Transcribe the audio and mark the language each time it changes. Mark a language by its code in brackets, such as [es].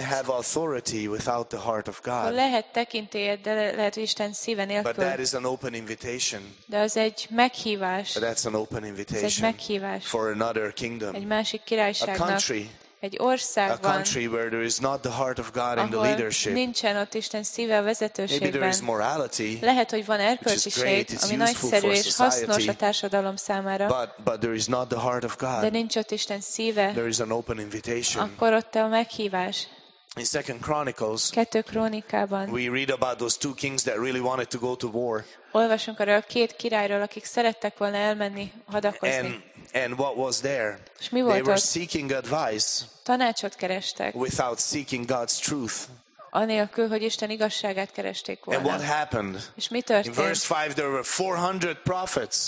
[en] can have authority without the heart of God. [hu] Lehet tekintélyed, de lehet Isten szíve nélkül. [en] But that is an open invitation. [hu] De az egy meghívás. [en] But that's an open invitation. [hu] Ez egy meghívás. [en] For another kingdom. [hu] Egy másik királyságnak. [en] A country. [hu] Egy országban. [en] A country where there is not the heart of God in the leadership. [hu] Nincsen ott Isten szíve a vezetőségben. [en] Maybe there is morality. [hu] Lehet, hogy van erkölcsiség, ami nagyszerű és hasznos a társadalom számára. [en] But there is not the heart of God. [hu] De nincs ott Isten szíve. [en] There is an open invitation. [hu] Akkor ott a meghívás. [en] In 2 Chronicles, we read about those two kings that really wanted to go to war. [hu] Olvasunk arra a két királyról, akik szerettek volna elmenni hadakozni. [en] And what was there? [hu] És mi volt [en] they were seeking advice. [hu] Tanácsot kerestek. [en] Without seeking God's truth. [hu] Anélkül, hogy Isten igazságát keresték volna. [en] And what happened? [hu] És mi történt? [en] In verse 5 there were 400 prophets.